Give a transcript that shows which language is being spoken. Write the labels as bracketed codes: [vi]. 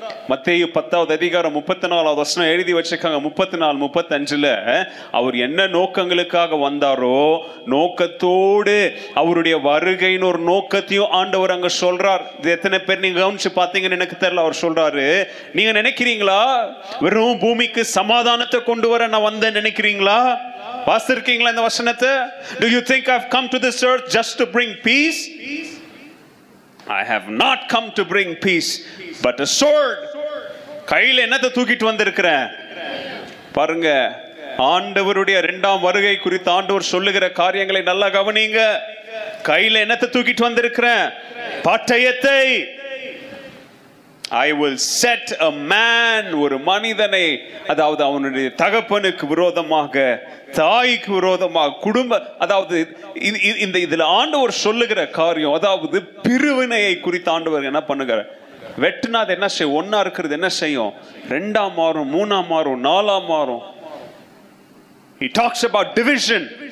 [ta] மத்தேயு 10:34 எழுதி வச்சிருக்காங்க, 34:35 அவர் என்ன நோக்கங்களுக்காக வந்தாரோ நோக்கத்தோடு அவருடைய வருகைன்னு ஒரு நோக்கத்தையும் ஆண்டவர் அங்க சொல்றார். இது எத்தனை பேர் நீங்க கவனிச்சு பாத்தீங்கன்னு எனக்கு தெரியல. அவர் சொல்றாரு, நீங்க நினைக்கிறீங்களா வெறும் பூமிக்கு சமாதானத்தை கொண்டு வர நான் வந்தேன் நினைக்கிறீங்களா, வாசிருக்கீங்களா இந்த வசனத்தை, [en] Do you think I've come to this earth just to bring peace? I have not come to bring peace, but a sword. [ta] கையில என்னத்தை தூக்கிட்டு வந்திருக்கிறேன் பாருங்க. ஆண்டவருடைய 2வது வருகை குறித்து ஆண்டவர் சொல்லுகிற காரியங்களை நல்லா கவனிங்க. கையில என்னத்தை தூக்கிட்டு வந்திருக்கிறேன், பட்டயத்தை. [en] I will set a man [ta] ஒரு மனிதனை அதாவது அவனுடைய தகப்பனுக்கு விரோதமாக தாய்க்கு விரோதமாக குடும்ப அதாவது இந்த இதில் ஆண்டவர் சொல்லுகிற காரியம் அதாவது பிரிவினையை குறித்து ஆண்டவர் என்ன பண்ணுகிறார் வெட்டுனா அது என்ன செய்யும் ஒன்னா இருக்கிறது என்ன செய்யும் ரெண்டாம் மாறும் மூணாம் மாறும் நாலாம் மாறும் [en] He talks about division.